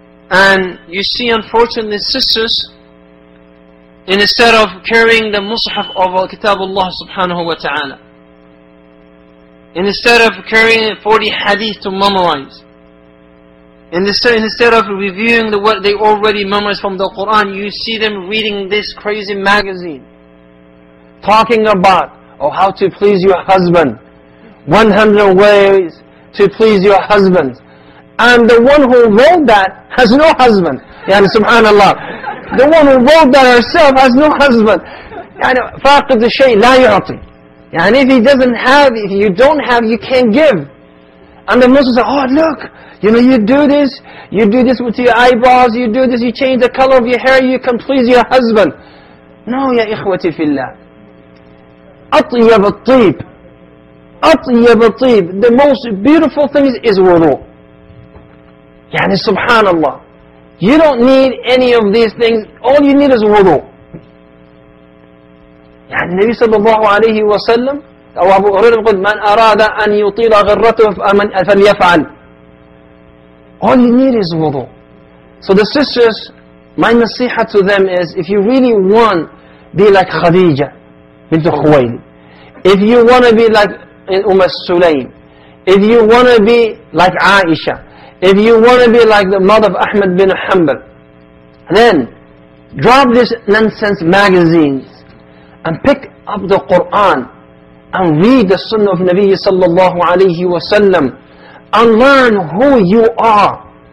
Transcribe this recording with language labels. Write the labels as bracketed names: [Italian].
[English] And you see, unfortunately, sisters, instead of carrying the mushaf of Kitabullah subhanahu wa ta'ala, instead of carrying 40 hadith to memorize, instead of reviewing the what they already memorized from the Quran, you see them reading this crazy magazine, talking about, oh, how to please your husband, 100 ways to please your husband. And the one who wrote that has no husband. [Arabic] Yani subhanAllah. [English] The one who wrote that herself has no husband. [Arabic] Yani فَاقِدُ الشَّيْءِ لَا يُعْطِي. [English] Yani if he doesn't have, if you don't have, you can't give. And the Muslims say, oh look, you know, you do this with your eyebrows, you do this, you change the color of your hair, you can please your husband. No, [Arabic] ya ikhwati fillah. أطيب الطيب. أطيب الطيب. [English] The most beautiful thing is wudu. [Arabic] يعني سبحان الله. [English] You don't need any of these things. All you need is wudu. [Arabic] يعني النبي صلى الله عليه وسلم أو أبو هريرة قال من أراد أن يطيل غرته فليفعل. [English] All you need is wudu. So the sisters, my نصيحة to them is, if you really want be like خديجة بنت خويلد, if you want to be like Umm Sulaym, if you want to be like Aisha, if you want to be like the mother of Ahmed bin Hanbal, then drop this nonsense magazines and pick up the Quran and read the Sunnah of Nabi sallallahu alayhi wa sallam and learn who you are.